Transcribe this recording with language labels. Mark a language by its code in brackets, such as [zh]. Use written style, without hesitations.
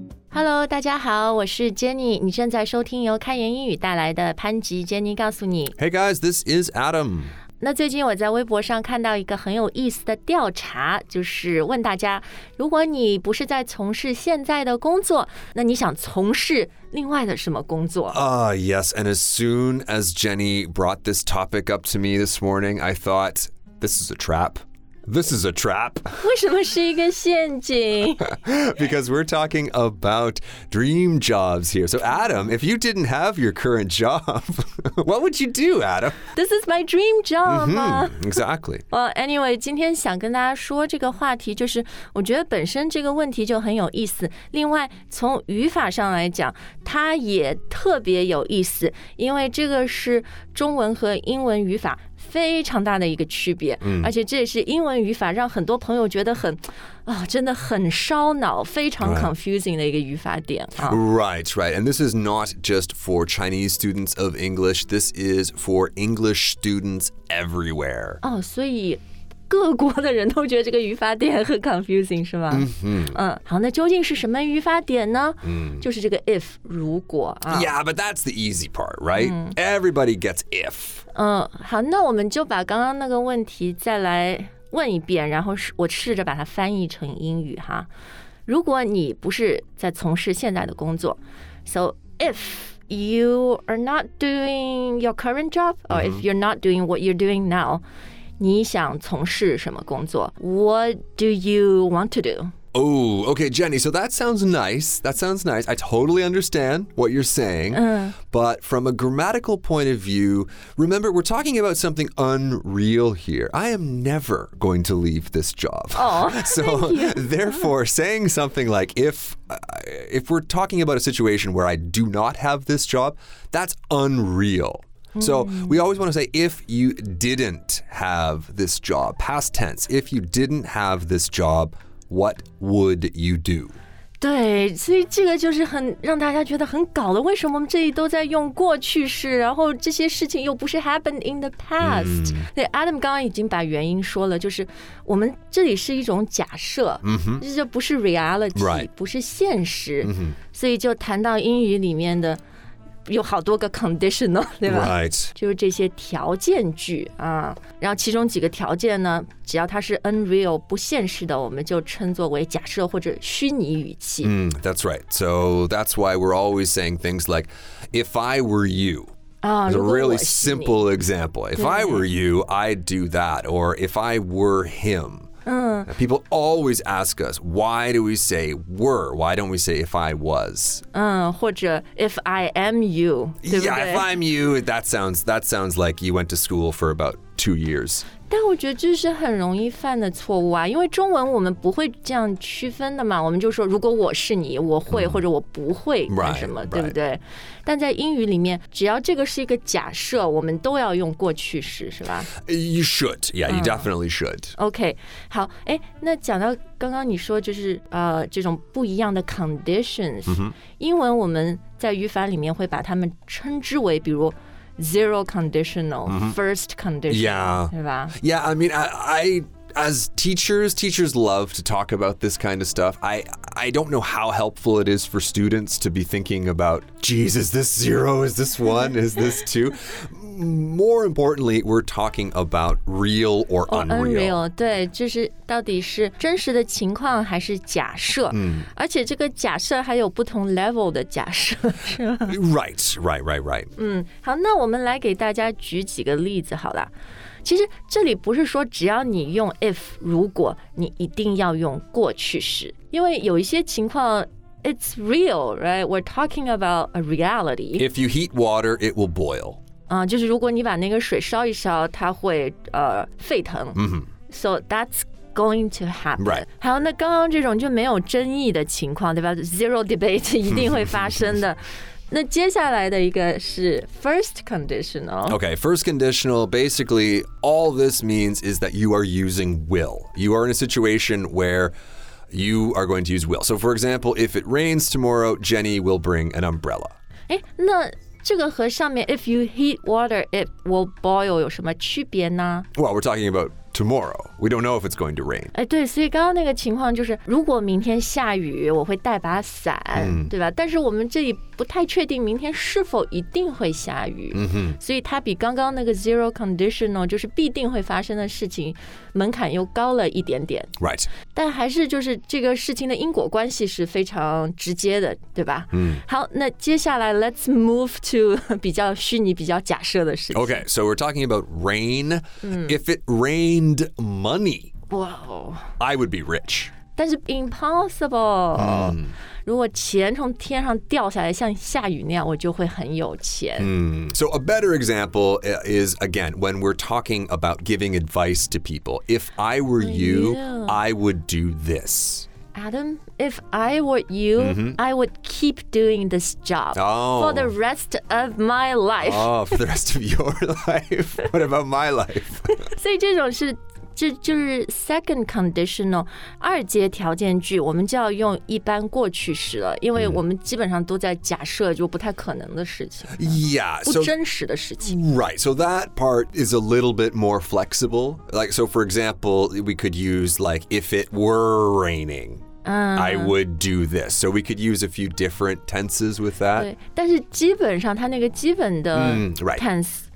[zh] Hello， 大家好，我是 Jenny。你正在收听由开言英语带来的潘吉 Jenny 告诉你。 [en] Hey guys, this is Adam。 [zh] 那最近我在微博上看到一个很有意思的调查，就是问大家，如果你不是在从事现在的工作，那你想从事另外的什么工作？ [en] Yes, and as soon as Jenny brought this topic up to me this morning, I thought, this is a trap. This is a trap. [zh] 为什么是一个陷阱? [en] Because we're talking about dream jobs here. So Adam, if you didn't have your current job, what would you do, Adam? This is my dream job. Exactly. Well, anyway, [zh] 今天想跟大家说这个话题就是我觉得本身这个问题就很有意思。另外从语法上来讲它也特别有意思因为这个是中文和英文语法。非常大的一个区别、嗯、而且这也是英文语法让很多朋友觉得很、哦、真的很烧脑非常 confusing 的一个语法点 [en] Right, right. And this is not just for Chinese students of English. This is for English students everywhere. [zh] 哦，所以各国的人都觉得这个语法点很 confusing, 是吗、好，那究竟是什么语法点呢、就是这个 if, 如果、 [en] Yeah, but that's the easy part, right?、Everybody gets if. [zh] 好，那我们就把刚刚那个问题再来问一遍，然后我试着把它翻译成英语哈。如果你不是在从事现在的工作 [en] ，so if you are not doing your current job, or if you're not doing what you're doing now, [zh] 你想从事什么工作 [en] ？What do you want to do? Oh, okay, Jenny, so that sounds nice. That sounds nice. I totally understand what you're saying. But from a grammatical point of view, remember, we're talking about something unreal here. I am never going to leave this job. Therefore, saying something like, if we're talking about a situation where I do not have this job, that's unreal. So we always want to say, if you didn't have this job, past tense, if you didn't have this job,What would you do? [zh] 对，所以这个就是很让大家觉得很搞的。为什么我们这里都在用过去式，然后这些事情又不是 [en] happened in the past?、 [zh] 对 ，Adam 刚刚已经把原因说了，就是我们这里是一种假设，这就不是 reality,、不是现实、所以就谈到英语里面的有好多个 conditional, 对吧、就是这些条件句啊，然后其中几个条件呢只要它是 unreal 不现实的我们就称作为假设或者虚拟语气、 [en] That's right. So that's why we're always saying things like If I were you、 It's a really simple example. If I were you, I'd do that. Or if I were him、People always ask us Why do we say were? Why don't we say if I was? 或者 if I am you 对不对 Yeah, if I'm you That sounds like you went to school for about 2 years [zh] 但我觉得这是很容易犯的错误啊因为中文我们不会这样区分的嘛我们就说如果我是你我会或者我不会干什么、对不对、但在英语里面只要这个是一个假设我们都要用过去式是吧 [en] You should, yeah, you definitely should [zh] OK, 好诶那讲到刚刚你说就是、这种不一样的 conditions、英文我们在语法里面会把它们称之为比如Zero conditional,、first conditional, [en] yeah. Right? Yeah, I mean, I as teachers love to talk about this kind of stuff. I don't know how helpful it is for students to be thinking about, geez, is this zero, is this one, is this two? More importantly, we're talking about real or unreal. [zh] Unreal, 对，就是到底是真实的情况还是假设、而且这个假设还有不同 level 的假设，是吧 [en] Right. [zh] 好，那我们来给大家举几个例子好了。其实这里不是说只要你用 if, 如果你一定要用过去式，因为有一些情况 [en] it's real, right? We're talking about a reality. If you heat water, it will boil. [zh] 就是如果你把那个水烧一烧它会、沸腾、 [en] So that's going to happen、 [zh] 好那刚刚这种就没有争议的情况对吧 [en] Zero debate [zh] 一定会发生的那接下来的一个是 first conditional [en] Okay, first conditional Basically all this means is that you are using will You are in a situation where you are going to use will So for example, if it rains tomorrow Jenny will bring an umbrella [zh] 那这个和上面 [en] if you heat water, it will boil [zh] 有什么区别呢 [en] Well, we're talking about tomorrow. We don't know if it's going to rain. [zh] 哎，对，所以刚刚那个情况就是，如果明天下雨，我会带把伞，对吧？但是我们这里不太确定明天是否一定会下雨，所以它比刚刚那个 zero conditional 就是必定会发生的事情门槛又高了一点点。 [en] Right. [zh] 但还是就是这个事情的因果关系是非常直接的，对吧？好，那接下来 [en] let's move to [zh] 比较虚拟、比较假设的事情。 [en] Okay, so we're talking about rain. If it rained money, wow, I would be rich. [zh] 但是 impossible. 如果钱从天上掉下来，像下雨那样，我就会很有钱。 [en] So a better example is, again, when we're talking about giving advice to people. If I were you, I would do this. Adam, if I were you, I would keep doing this job for the rest of my life. Oh, for the rest of your life? What about my life? [zh] 所以这种是这就是 second conditional 二阶条件句，我们就要用一般过去式了，因为我们基本上都在假设就不太可能的事情。 [en] Yeah, [zh] so, 不真实的事情。 [en] Right, so that part is a little bit more flexible. Like, so for example, we could use like, if it were raining,I would do this. So we could use a few different tenses with that. [zh] 对，但是基本上它那个基本的 tense,